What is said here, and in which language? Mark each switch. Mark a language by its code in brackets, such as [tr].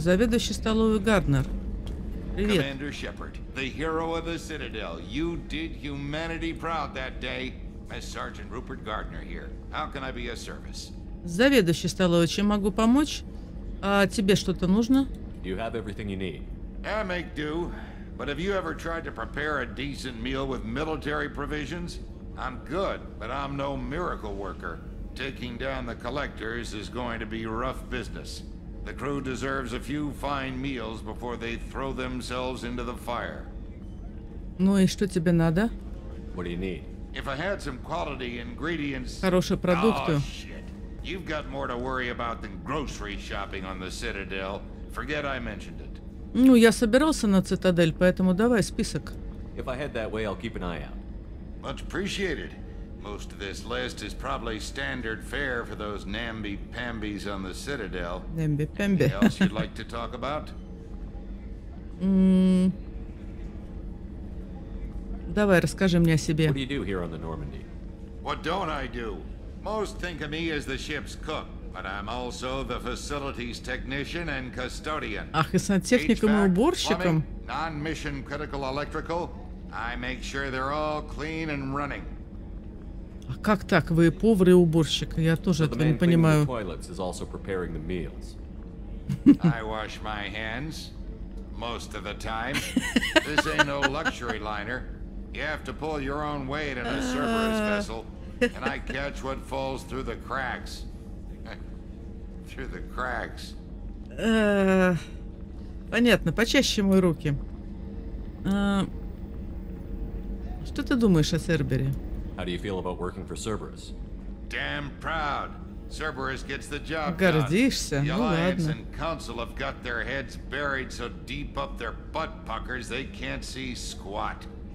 [ru] Заведующий столовой Гарднер. Привет. [en] Commander Shepard, the hero of the Citadel. You did humanity proud that day. As Sergeant Rupert Gardner here. How can I be of service? [ru] Заведующий столовой, чем могу помочь? А тебе что-то нужно? [en] Do you have everything you need? I make do. But have you ever tried to prepare a decent meal with military provisions? I'm good, but I'm no miracle worker. Taking down the collectors is going to be rough business. The crew deserves a few fine meals before they throw themselves into the fire. [ru] Ну и что тебе надо? [en] What do you need? If I had some quality ingredients... [ru] Хорошие продукты. [en] Oh, shit. You've got more to worry about than grocery shopping on the Citadel. Forget I mentioned it. [ru] Ну, я собирался на Цитадель, поэтому давай список. [en] If I head that way, I'll keep an eye out. Much appreciated. Most of this list is probably standard fare for those namby-pambies on the Citadel. Namby-pamby. Anything else you'd like to talk about? [ru] Давай, расскажи мне о себе. [en] What do you do here on the Normandy? What don't I do? Most think of me as the ship's cook, But I'm also the facility's technician and custodian. [ru] Ах, и сантехником и уборщиком. [en] Non-mission critical electrical. I make sure they're all clean and running. [ru] А как так? Вы повар и уборщик? Я тоже этого не понимаю. [en] The toilets is also preparing the meals. I wash my hands most of the time. This ain't no luxury liner. You have to pull your own weight in a Cerberus vessel, and I catch what falls through the cracks. Through the cracks. [ru] Понятно, почаще мой руки. Что ты думаешь о Сербере? [en] How do you feel about working for Cerberus? Damn proud. Cerberus gets the job done. [ru] Гордишься? [en] The Alliance and Council have got their heads buried so deep up their butt puckers they can't see squat.